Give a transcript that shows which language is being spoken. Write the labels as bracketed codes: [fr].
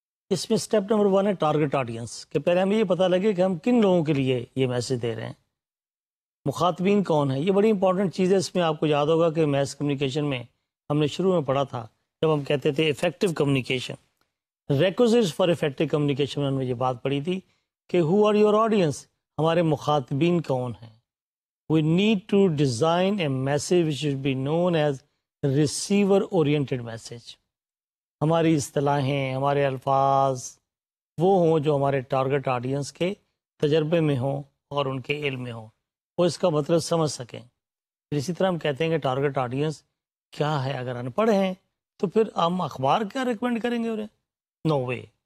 [ur] اس میں step number one ہے target audience, کہ پہلے ہمیں یہ پتا لگے کہ ہم کن لوگوں کے لیے یہ میسج دے رہے ہیں, مخاطبین کون ہے. یہ بڑی امپورٹنٹ چیز ہے, اس میں آپ کو یاد ہوگا کہ میس کمیونیکیشن میں ہم نے شروع میں پڑھا تھا جب ہم کہتے تھے effective communication, requisites for effective communication میں ہم نے یہ بات پڑھی تھی کہ [en] who are your audience, [ur] ہمارے مخاطبین کون ہیں. [en] We need to design a message which should be known as receiver oriented message. [ur] ہماری اصطلاحیں, ہمارے الفاظ وہ ہوں جو ہمارے ٹارگیٹ آڈینس کے تجربے میں ہوں اور ان کے علم میں ہوں, وہ اس کا مطلب سمجھ سکیں. پھر اسی طرح ہم کہتے ہیں کہ ٹارگیٹ آڈینس کیا ہے, اگر ان پڑھ ہیں تو پھر ہم اخبار کیا ریکمینڈ کریں گے انہیں, [en] No way.